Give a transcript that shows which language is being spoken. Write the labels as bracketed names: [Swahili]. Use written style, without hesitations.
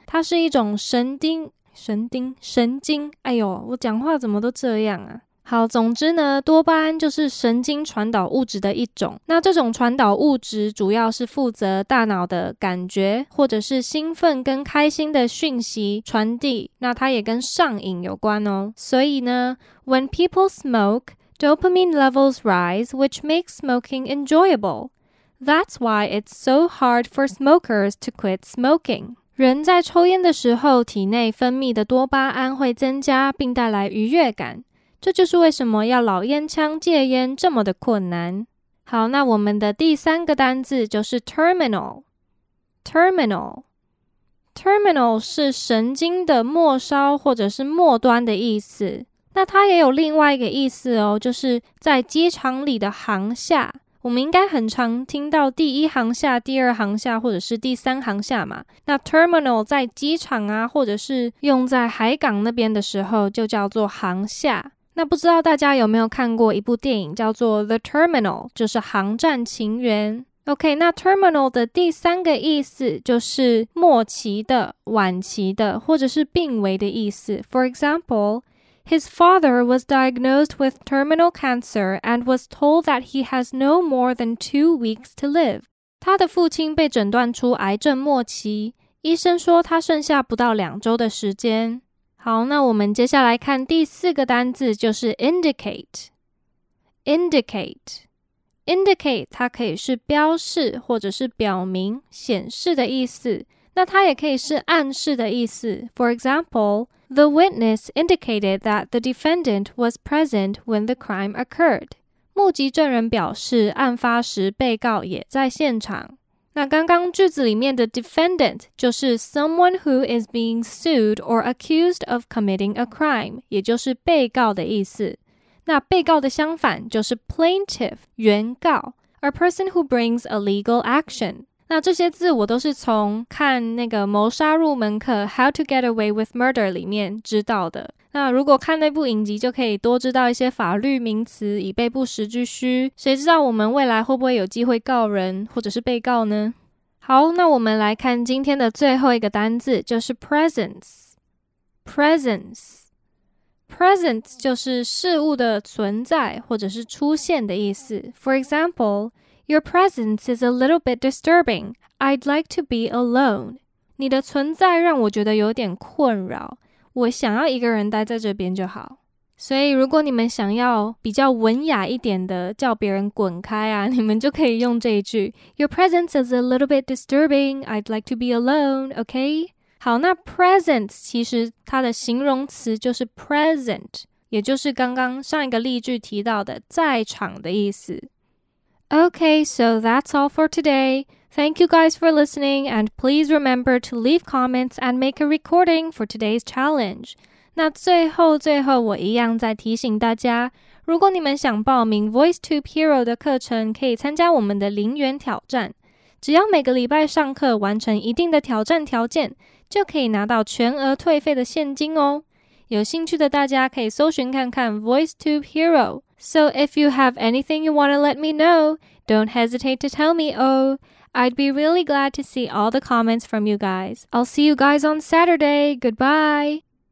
[Chinese] 它是一种神经。哎呦，我讲话怎么都这样啊。好，总之呢，多巴胺就是神经传导物质的一种。那这种传导物质主要是负责大脑的感觉，或者是兴奋跟开心的讯息传递。那它也跟上瘾有关哦。所以呢 [English] ，When people smoke, dopamine levels rise, which makes smoking enjoyable. That's why it's so hard for smokers to quit smoking. [Chinese] 人在抽烟的时候，体内分泌的多巴胺会增加，并带来愉悦感。这就是为什么要老烟枪戒烟这么的困难。好，那我们的第三个单字就是 terminal。terminal。 terminal 是神经的末梢或者是末端的意思。那它也有另外一个意思哦，就是在机场里的航下。我们应该很常听到第一航下、第二航下或者是第三航下嘛。那 terminal 在机场啊，或者是用在海港那边的时候，就叫做航下。那不知道大家有没有看过一部电影叫做 The Terminal, 就是航站情缘。 OK, 那 Terminal 的第三个意思就是末期的、晚期的或者是病危的意思。 [English] For example, his father was diagnosed with terminal cancer and was told that he has no more than 2 weeks to live. [Chinese] 他的父亲被诊断出癌症末期，医生说他剩下不到两周的时间。好，那我们接下来看第四个单字，就是 indicate。indicate。 indicate 它可以是标示或者是表明、显示的意思。那它也可以是暗示的意思。 [English] For example, the witness indicated that the defendant was present when the crime occurred. [Chinese] 目击证人表示案发时被告也在现场。那刚刚句子里面的 [English] defendant [Chinese] 就是 [English] someone who is being sued or accused of committing a crime, [Chinese] 也就是被告的意思。那被告的相反就是 [English] plaintiff, [Chinese] 原告 [English] ,a person who brings a legal action。 [Chinese] 那这些字我都是从看那个谋杀入门课 How to get away with murder 里面知道的。那如果看那部影集就可以多知道一些法律名词，以备不时之需。谁知道我们未来会不会有机会告人或者是被告呢？好，那我们来看今天的最后一个单字，就是 presence。presence。 presence 就是事物的存在或者是出现的意思。 [English] For example,Your presence is a little bit disturbing. I'd like to be alone. [Chinese] 你的存在让我觉得有点困扰。我想要一个人待在这边就好。所以如果你们想要比较文雅一点的叫别人滚开啊，你们就可以用这一句。 [English] Your presence is a little bit disturbing. I'd like to be alone, okay? [Chinese] 好，那 presence 其实它的形容词就是 present, 也就是刚刚上一个例句提到的在场的意思。 [English] Okay, so that's all for today. Thank you guys for listening, and please remember to leave comments and make a recording for today's challenge. [Chinese] 那最后最后我一样再提醒大家，如果你们想报名 Voice Tube Hero 的课程，可以参加我们的零元挑战。只要每个礼拜上课完成一定的挑战条件，就可以拿到全额退费的现金哦。有兴趣的大家可以搜寻看看 Voice Tube Hero。 [English] So if you have anything you want to let me know, don't hesitate to tell me, oh. I'd be really glad to see all the comments from you guys. I'll see you guys on Saturday. Goodbye.